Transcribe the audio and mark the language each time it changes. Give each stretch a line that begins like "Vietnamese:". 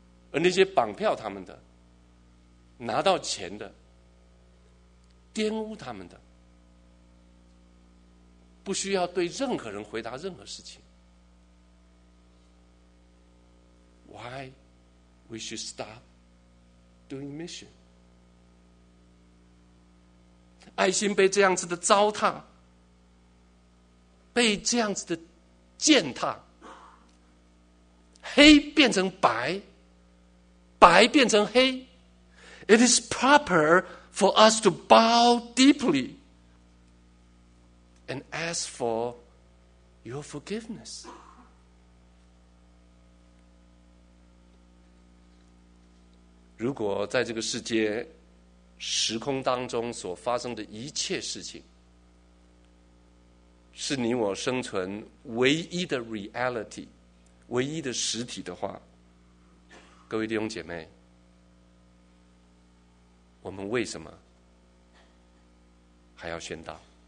Chinese: 而那些绑票他们的，拿到钱的，玷污他们的，不需要对任何人回答任何事情。
English: Why we should stopDoing mission.
Chinese: 爱心被这样子的糟蹋，被这样子的践踏，黑变成白，白变成黑。
English: It is proper for us to bow deeply and ask for your forgiveness.
Chinese: 如果在这个世界时空当中所发生的一切事情是你我生存唯一的 reality, 唯一的实体的话，各位弟兄姐妹，我们为什么还要宣道？